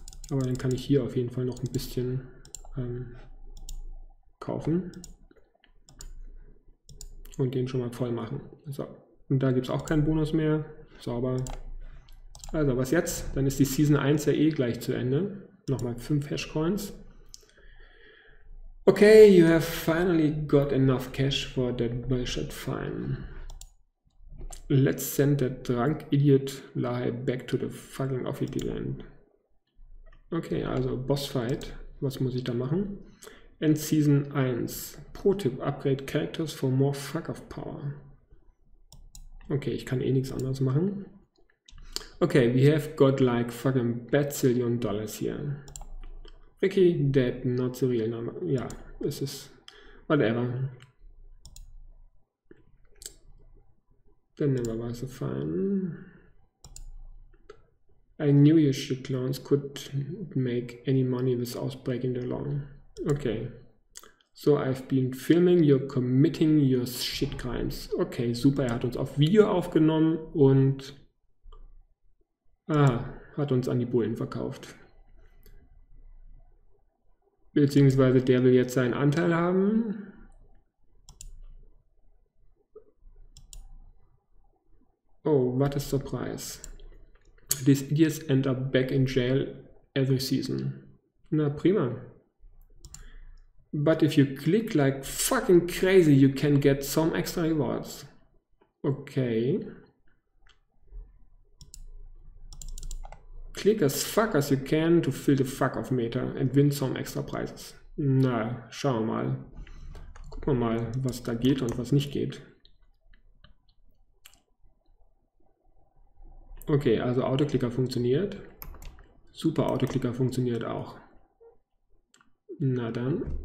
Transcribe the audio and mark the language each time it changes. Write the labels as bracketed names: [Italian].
[German] Aber dann kann ich hier auf jeden Fall noch ein bisschen kaufen. Und den schon mal voll machen. So. Und da gibt es auch keinen Bonus mehr. Sauber. Also, was jetzt? Dann ist die Season 1 ja eh gleich zu Ende. Nochmal 5 Hashcoins. [English] Okay, you have finally got enough cash for that bullshit fine. Let's send that drunk idiot Lahai back to the fucking office land. [German] Okay, also Bossfight. Was muss ich da machen? [English] End Season 1. [German] Pro-Tipp, [English] upgrade characters for more fuck-off-power. [German] Okay, ich kann eh nichts anderes machen. [English] Okay, we have got like fucking bazillion dollars here. Ricky, dead, not the real number. [German] Ja, es ist whatever. Dann nehmen wir was fein. [English] I knew your shit clones could make any money without breaking the law. Okay. So I've been filming, you're committing your shit crimes. [German] Okay, super, er hat uns auf Video aufgenommen und hat uns an die Bullen verkauft. Beziehungsweise der will jetzt seinen Anteil haben. [English] Oh, what a surprise. These idiots end up back in jail every season. [German] Na prima. [English] But if you click like fucking crazy, you can get some extra rewards. Okay. Click as fuck as you can to fill the fuck off meter and win some extra prizes. [German] Na, schauen wir mal. Gucken wir mal, was da geht und was nicht geht. Okay, also Autoklicker funktioniert. Super, Autoklicker funktioniert auch. Na dann.